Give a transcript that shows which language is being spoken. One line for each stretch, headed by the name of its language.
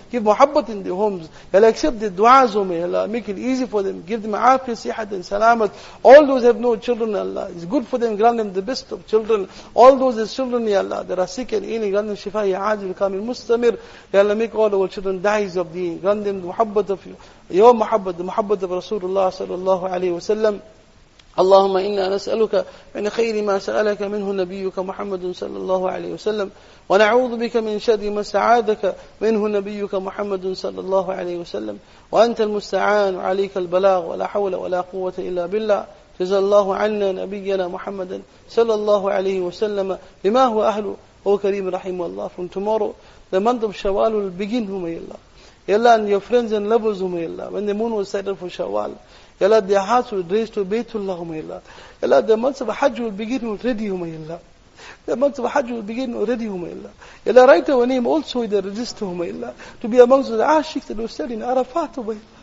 English: Give muhabbat in their homes. Ya Allah, accept the du'as, O my Allah. Make it easy for them. Give them afiyat, sihat and salamat. All those have no children, Allah, it's good for them, grant them the best of children. All those as children, Ya Allah, that are sick and ailing, grant them shifa, ya ajil, kamil, mustamir. Ya Allah, make all our children da'is of deen. Grant them the muhabbat of you.
Arabic: يوم محبه محبه رسول الله صلى الله عليه وسلم اللهم انا نسالك من خير ما سالك منه نبيك محمد صلى الله عليه وسلم ونعوذ بك من شر ما استعاذك منه نبيك محمد صلى الله عليه وسلم وانت المستعان عليك البلاغ ولا حول ولا قوه الا بالله جزا الله عنا نبينا محمد صلى الله عليه وسلم بما هو اهله هو كريم رحيم الله
English: from tomorrow the month of shawwal will begin whom may Allah. Ya Allah, and your friends and lovers, O my Allah, when the moon was set up for Shawwal, Ya Allah, their hearts will raise to Baytullah, O my Allah. Ya Allah, the months of Hajj will begin already, O my Allah. The months of Hajj will begin already, O my Allah. Ya Allah, write our name also in the register, O my Allah, to be amongst the ashiqs that will stand in Arafat, O my Allah.